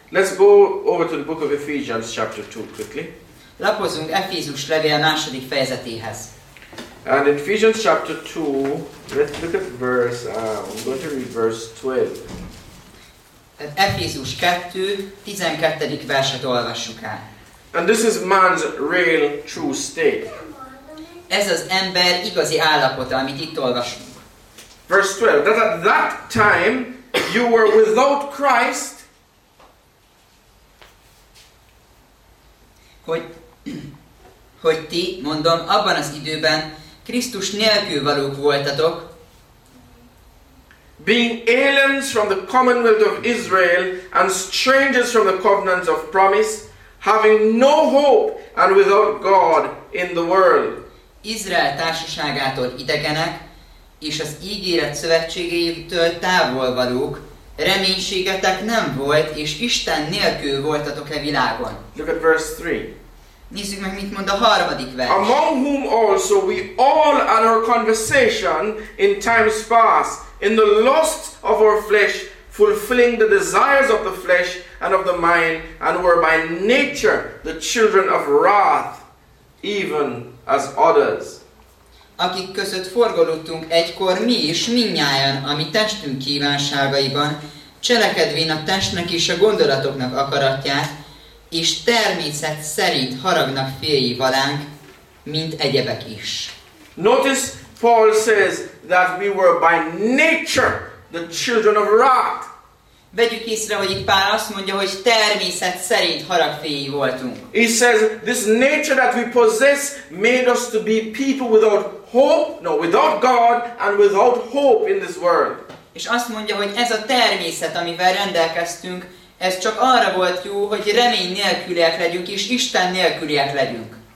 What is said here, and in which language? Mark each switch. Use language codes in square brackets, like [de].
[en] Let's go over to the book of Ephesians chapter 2 quickly. [hu] Lapozunk Efézus levél második fejezetéhez. [en] And in Ephesians chapter 2, let's look at verse, I'm going to read verse 12. [hu] Efézus 2, 12. verset olvassuk el. [en] And this is man's real true state. [hu] Ez az ember igazi állapota, amit itt olvasunk. [en] Verse 12, that at that time you were without Christ. [hu] Hogy ti, mondom, abban az időben Krisztus nélkül valók voltatok, [en] being aliens from the commonwealth of Israel and strangers from the covenants of promise, having no hope and without God in the world. [hu] Izrael társaságától idegenek, és az ígéret szövetségétől távol valók, reménységetek nem volt, és Isten nélkül voltatok e világon. [en] Look at verse 3. [hu] Nézzük meg, mit mond a harmadik vers. [en] Among whom also we all had our conversation in times past, in the lusts of our flesh, fulfilling the desires of the flesh and of the mind, and were by nature the children of wrath, even as others. [hu] Akik között forgolódtunk egykor mi is mindnyájan, a mi testünk kívánságaiban, cselekedvén a testnek és a gondolatoknak akaratját, és természet szerint haragnak féljé valánk, mint egyebek is. [en] Notice Paul says that we were by nature the children of wrath. [hu] Vegyük észre, hogy Pál azt mondja, hogy természet szerint haragféjé voltunk. [en] He says this nature that we possess made us to be people without hope, no, without God and without hope in this world. [hu] És azt mondja, hogy ez a természet, amivel rendelkeztünk, ez csak arra volt jó, hogy remény nélküliek legyünk és Isten nélküliek legyünk.